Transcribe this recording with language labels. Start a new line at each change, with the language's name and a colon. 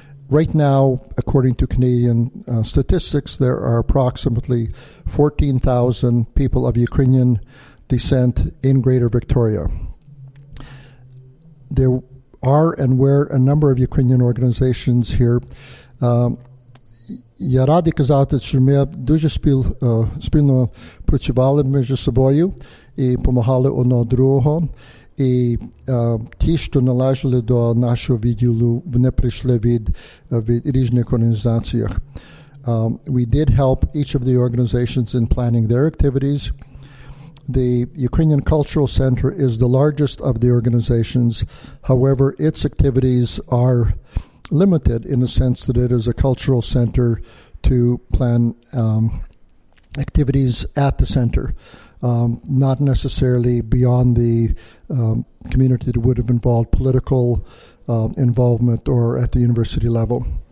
English: Right now, according to Canadian statistics, there are approximately 14,000 people of Ukrainian descent in Greater Victoria. There are and were a number of Ukrainian organizations here.
Ukrainian: Я радий казати, що ми дуже спільно працювали між собою і допомагали одне другого. І ті, що належали до нашого відділу, вони прийшли від різних організацій.
English: We did help each of the organizations in planning their activities. The Ukrainian Cultural Center is the largest of the organizations. However, its activities are limited in the sense that it is a cultural center to plan activities at the center, not necessarily beyond the community that would have involved political involvement or at the university level.